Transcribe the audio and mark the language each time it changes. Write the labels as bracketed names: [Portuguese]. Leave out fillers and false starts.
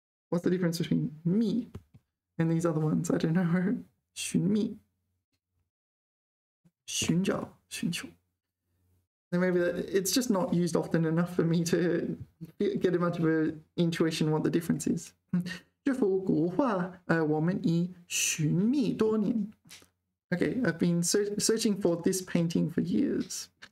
[English] What's the difference between me and these other ones? I don't know. 寻觅, 寻找, 寻求. Then maybe that, it's just not used often enough for me to get a much of an intuition what the difference is. [Chinese] 这幅国画, 我们已寻觅多年. [English] Okay, I've been searching for this painting for years.